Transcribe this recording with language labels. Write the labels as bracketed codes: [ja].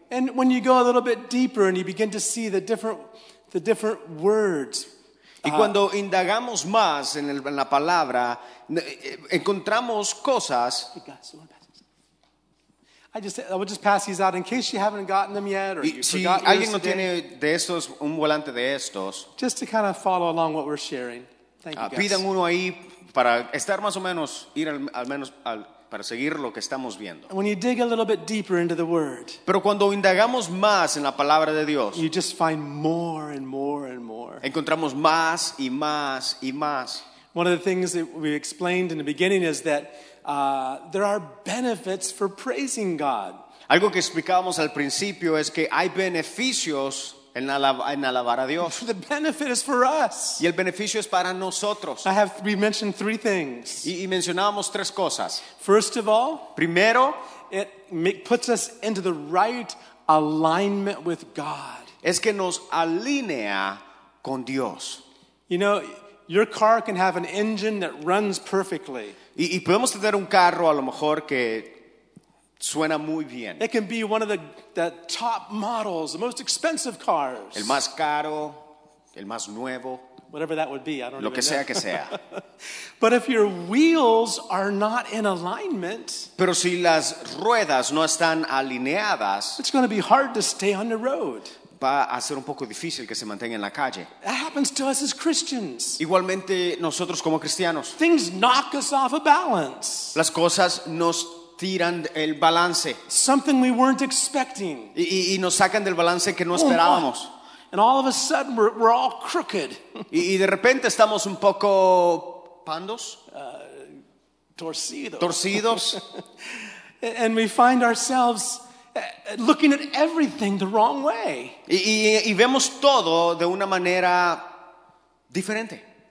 [en] And when you go a little bit deeper and you begin to see the different words. [es] Y cuando indagamos más en el, en la palabra, encontramos cosas. [en] I would just pass these out in case you haven't gotten them yet, or you [es] si [en] forgot. [es] Si alguien [en] yours [es] no tiene de estos un volante de estos. [en] Just to kind of follow along what we're sharing. Thank you. [es] Pidan uno ahí. Para estar más o menos, ir al menos para seguir lo que estamos viendo. [en] When you dig a little bit deeper into the word, [es] pero cuando indagamos más en la palabra de Dios, [en] you just find more and more and more. [es] Encontramos más y más y más. [en] One of the things that we explained in the beginning is that there are benefits for praising God. [es] Algo que explicábamos al principio es que hay beneficios en alabar a Dios. [en] The benefit is for us. [es] Y el beneficio es para nosotros. [en] We mentioned three things. [es] Y mencionábamos tres cosas. [en] First of all, [es] primero, [en] it puts us into the right alignment with God. [es] Es que nos alinea con Dios. [en] You know, your car can have an engine that runs perfectly. [es] Y podemos tener un carro a lo mejor que suena muy bien. [en] It can be one of the top models, the most expensive cars. [es] El más caro, el más nuevo. [en] Whatever that would be, I don't [es] lo que [en] know. [es] Sea que sea. [en] But if your wheels are not in alignment, [es] pero si las ruedas no están alineadas, [en] it's going to be hard to stay on the road. [es] Va a ser un poco difícil que se mantenga en la calle. [en] That happens to us as Christians. [es] Igualmente nosotros como cristianos. [en] Things knock us off of balance. [es] Las cosas nos tiran el balance. [en] Something we weren't expecting. [es] Y nos sacan del balance que no esperábamos. Oh, [en] and all of a sudden we're all crooked. [es] Y de repente estamos un poco pandos. Torcidos. [en] And we find ourselves looking at everything the wrong way. [es] Y vemos todo de una manera diferente.